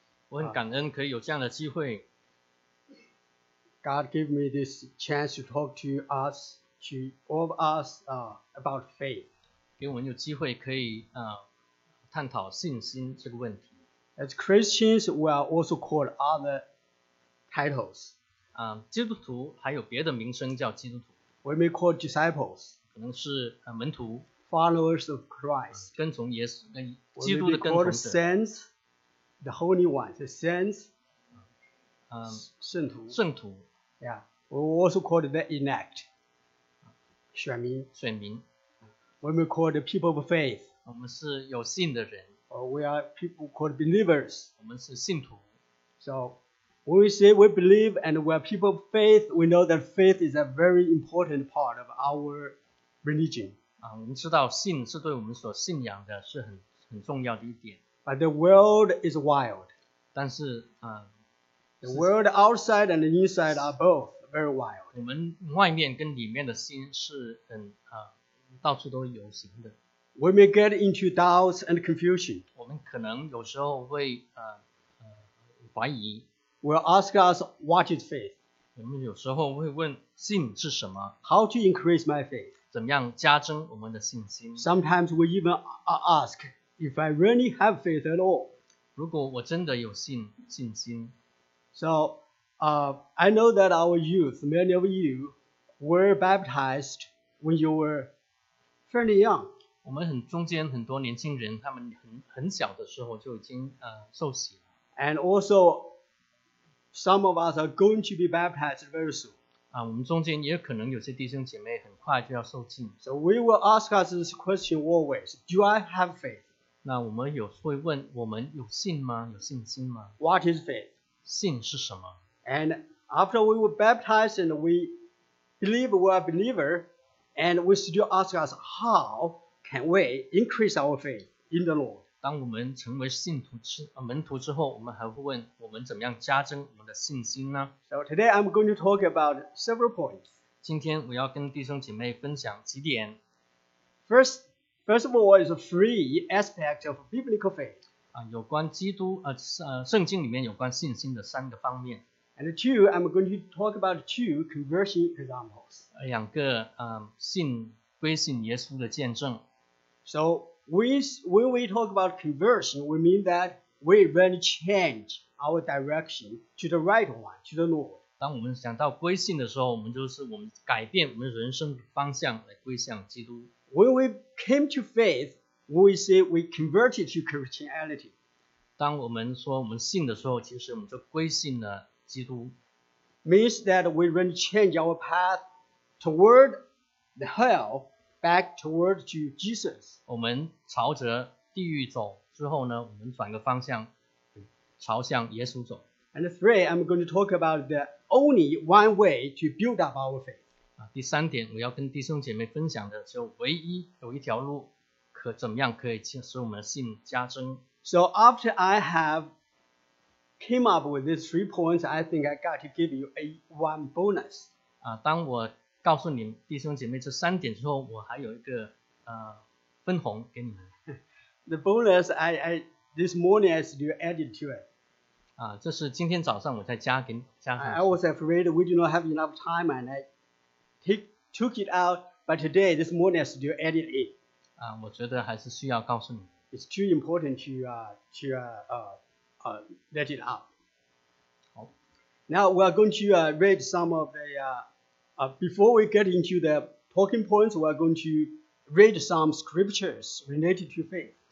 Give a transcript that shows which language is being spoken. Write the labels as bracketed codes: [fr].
[zh] 我很感恩可以有这样的机会。 [en] God gave me this chance to talk to us, to all of us, about faith. [zh] 给我们有机会可以探讨信心这个问题。 [en] As Christians, we are also called other titles. [zh] 基督徒还有别的名称叫基督徒。 [en] We may call disciples. [zh] 可能是门徒。 [en] Followers of Christ. [zh] 跟从耶稣，基督的跟从者。 [en] We may call the saints, the holy ones, the saints. [zh] 圣徒。圣徒。 [en] Yeah, we also call the elect, [zh] 选民。选民。 [en] We may call the people of faith. [zh] 我们是有信的人。 [en] Or we are people called believers. [zh] 我们是信徒。 [en] So, when we say we believe and we are people of faith, we know that faith is a very important part of our religion. [zh] 我们知道信是对我们所信仰的是很重要的一点。 [en] But the world is wild. [zh] 但是 [en] The world outside and the inside are both very wild. [zh] 我们外面跟里面的心是到处都有形的。 [en] We may get into doubts and confusion. [zh] 我们可能有时候会怀疑。 [en] We'll ask us what is faith. [zh] 我们有时候会问信是什么。 [en] How to increase my faith? [zh] 怎么样加增我们的信心。 [en] Sometimes we even ask if I really have faith at all. [zh] 如果我真的有信心。 [en] So, I know that our youth, many of you, were baptized when you were fairly young. [zh] 我们很中间很多年轻人，他们很小的时候就已经受洗了。 [en] And also, some of us are going to be baptized very soon. [zh] 我们中间也可能有些弟兄姐妹很快就要受浸。 [en] So we will ask us this question always: Do I have faith? [zh] 那我们有会问，我们有信吗？有信心吗 [en] ？What is faith? [zh] 信是什么 [en] ？And after we were baptized and we believe we are believer, and we still ask us how can we increase our faith in the Lord? [zh] 当我们成为信徒门徒之后，我们还会问我们怎么样加增我们的信心呢 [en] ？So today I'm going to talk about several points. [zh] 今天我要跟弟兄姐妹分享几点。 [en] First of all, is a three aspect of biblical faith. [zh] 有关基督圣经里面有关信心的三个方面。 [en] And two, I'm going to talk about two conversion examples. [zh] 两个信归信耶稣的见证。 [en] So when we talk about conversion, we mean that we really change our direction to the right one, to the Lord. [zh] 当我们想到归信的时候，我们就是我们改变我们人生方向来归向基督。 [en] When we came to faith,We say we converted to Christianity. [zh] 当我们说我们信的时候，其实我们就归信了基督。 [en] Means that we really change our path toward the hell, back toward to Jesus. [zh] 我们朝着地狱走之后呢，我们转个方向，朝向耶稣走。 [en] And three, I'm going to talk about the only one way to build up our faith. [zh] 第三点我要跟弟兄姐妹分享的，就唯一有一条路。怎么样可以使我们的信加增 [en] ？So after I have came up with these three points, I think I got to give you a one bonus. [zh] 当我告诉你弟兄姐妹这三点之后，我还有一个分红给你们。 [en] The bonus I this morning I still added to it. [zh] 啊，这是今天早上我再加上。 [en] I was afraid we do not have enough time and I took it out, but today this morning I still added it. [zh] 啊，我觉得还是需要告诉你。 [en] It's too important to let it out. Now we are going to read some of the before we get into the talking points, we are going to read some scriptures related to faith.